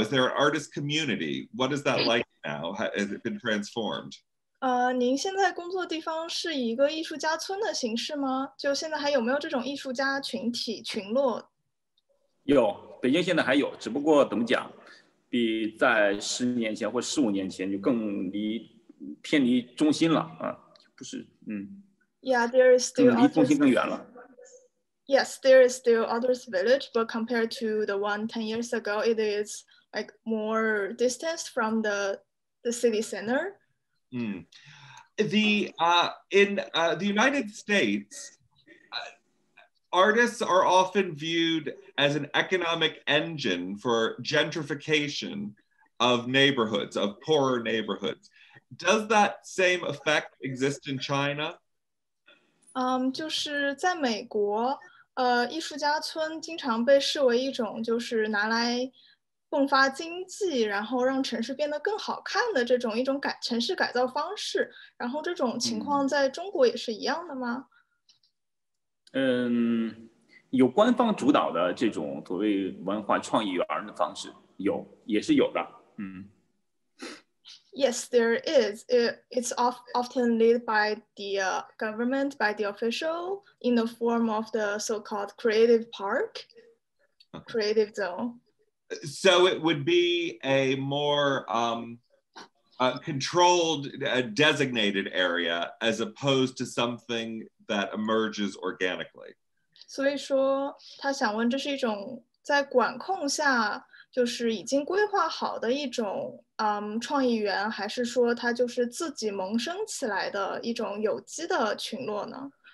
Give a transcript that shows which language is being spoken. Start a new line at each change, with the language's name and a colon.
English: Is there an artist community? What is that like now? Has it been transformed?
Chinese: 您现在工作地方是一个艺术家村的形式吗？就现在还有没有这种艺术家群体群落？有，北京现在还有，只不过怎么讲，比在10年前或15年前就更偏离中心了啊，不是，嗯。
English: Yeah, there is still.
Chinese: 离中心更远了。
English: Yes, there is still artist village, but compared to the one 10 years ago, it is like more distance from the city center. The United States, artists are often viewed as an economic engine for gentrification of neighborhoods, of poorer neighborhoods. Does that same effect exist in China?
Chinese: 就是在美国，艺术家村经常被视为一种就是拿来迸发经济，然后让城市变得更好看的这种一种城市改造方式，然后这种情况在中国也是一样的吗？有官方主导的这种所谓文化创意园的方式，有，也是有的。
English: Yes, there is. It's often led by the government, by the official, in the form of the so-called creative park, creative zone. So it would be a more controlled, designated area as opposed to something that emerges organically. So he said, he wants to ask, in the control of
Chinese: 就是已经规划好的一种创意园，还是说它就是自己萌生起来的一种有机的群落呢？